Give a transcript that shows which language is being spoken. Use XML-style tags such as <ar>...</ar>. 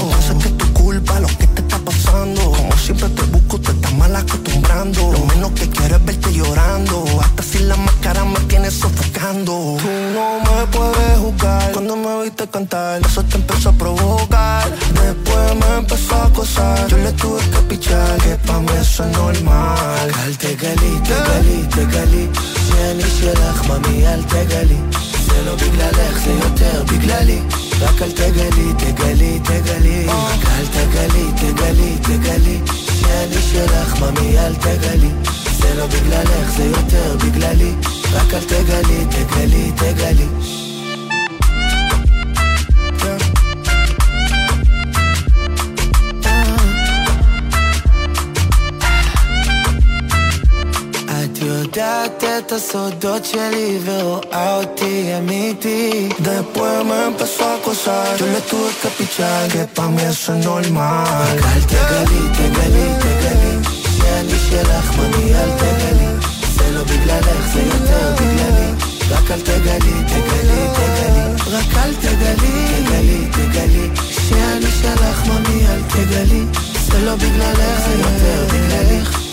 <es>No sé que es tu culpa lo que te está pasando. Como siempre te busco, te estás mal acostumbrando. Lo menos que quiero es verte llorando. Hasta si la máscara me tienes sofocando. Tú no me puedes juzgar cuando me oíste cantar. Eso te empezó a provocar. Después me empezó a acosar. Yo le tuve que pichar, que pa' mí eso es normal.</es> <he>רק אל תגלי, תגלי, תגלי שאני שלך, ממי אל תגלי, זה לא בגללך, זה יותר בגללי. רק אל תגלי, תגלי, תגלי, רק אל תגלי, תגלי, תגלי שאני שלך, ממי אל תגלי, זה לא בגללך, זה יותר בגללי. רק אל תגלי, תגלי, תגלי. יודעת את הסודות שלי ורואה אותי אמיתי.</he> <es>Después me empezó a acosar. Yo le tuve que pichar. Que pa' mí eso es normal.</es> <he>רק אל תגלי, תגלי, תגלי שאני שלך, ממי אל תגלי, זה לא בגללך, זה יותר בגללי. רק אל תגלי, תגלי, תגלי, רק אל תגלי, תגלי, תגלי שאני שלך, ממי אל תגלי, זה לא בגללך, זה יותר בגללך.</he>